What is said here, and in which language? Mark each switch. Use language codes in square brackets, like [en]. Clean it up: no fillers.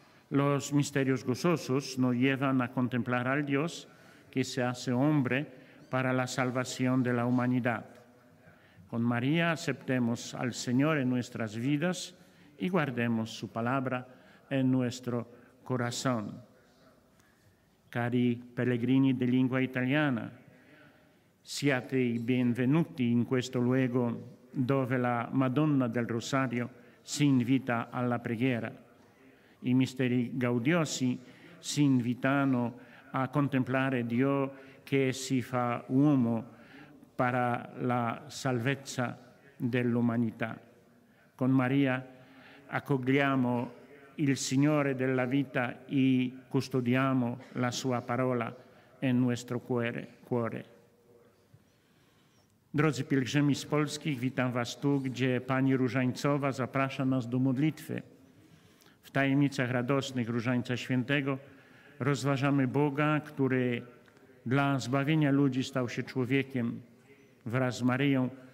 [es] Los misterios gozosos nos llevan a contemplar al Dios que se hace hombre para la salvación de la humanidad. Con María aceptemos al Señor en nuestras vidas y guardemos su palabra en nuestro corazón. [it] Cari pellegrini di lingua italiana, siate i benvenuti in questo luogo dove la Madonna del Rosario si invita alla preghiera. I misteri gaudiosi si invitano a contemplare Dio che si fa uomo per la salvezza dell'umanità. Con Maria accogliamo il Signore della vita e custodiamo la sua parola in nostro cuore. [pl] Drodzy pielgrzymi z Polski, witam was tu, gdzie Pani Różańcowa zaprasza nas do modlitwy. W tajemnicach radosnych Różańca Świętego rozważamy Boga, który dla zbawienia ludzi stał się człowiekiem wraz z Maryją.